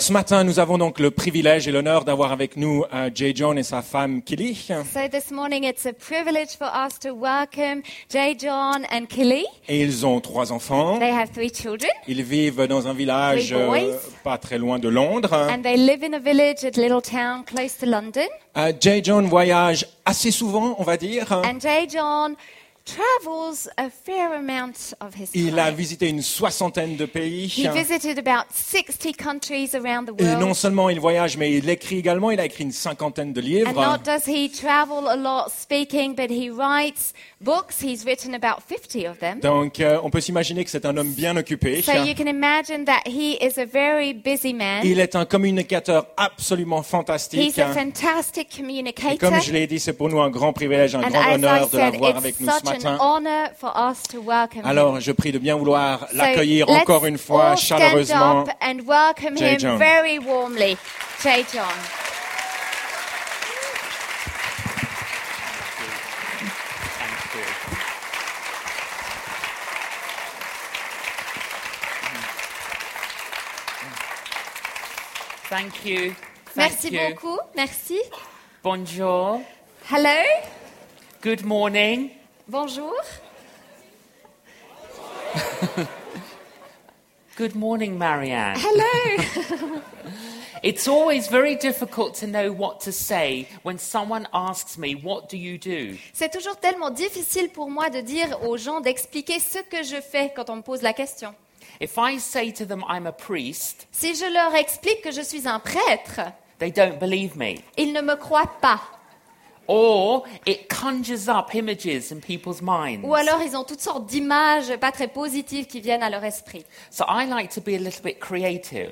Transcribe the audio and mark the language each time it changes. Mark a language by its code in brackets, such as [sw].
[fr] Ce matin, nous avons donc le privilège et l'honneur d'avoir avec nous Jay John et sa femme Kelly. [en] So this morning, it's a privilege for us to welcome Jay John and Kelly. [fr] Et ils ont trois enfants. [en] They have three children. [fr] Ils vivent dans un village pas très loin de Londres. [en] And they live in a village, a little town close to London. [fr] Jay John voyage assez souvent, on va dire. [en] And Jay John travels a fair amount of his time. [fr] Il a visité une soixantaine de pays. [en] He visited about 60 countries around the world. [fr] Et non seulement il voyage, mais il écrit également. Il a écrit une cinquantaine de livres. [en] And not does he travel a lot speaking, but he writes books. He's written about 50 of them. [fr] Donc, on peut s'imaginer que c'est un homme bien occupé. [en] So you can imagine that he is a very busy man. [fr] Il est un communicateur absolument fantastique. [en] He's a fantastic communicator. [fr] Et comme je l'ai dit, c'est pour nous un grand privilège, un grand honneur de l'avoir avec nous. Alors, je prie de bien vouloir l'accueillir encore une fois chaleureusement. [en] Let's all stand up and welcome him very warmly, Jay John. Thank you. [fr] Merci beaucoup. Merci. Bonjour. [en] Hello. Good morning. [fr] Bonjour. [en] Good morning, Marianne. Hello. It's always very difficult to know what to say when someone asks me, what do you do? [fr] C'est toujours tellement difficile pour moi de dire aux gens, d'expliquer ce que je fais quand on me pose la question. [en] If I say to them I'm a priest, [fr] si je leur explique que je suis un prêtre, [en] they don't believe me. [fr] Ils ne me croient pas. [en] Or it conjures up images in people's minds. [fr] Ou alors ils ont toutes sortes d'images pas très positives qui viennent à leur esprit. [en] So I like to be a little bit creative.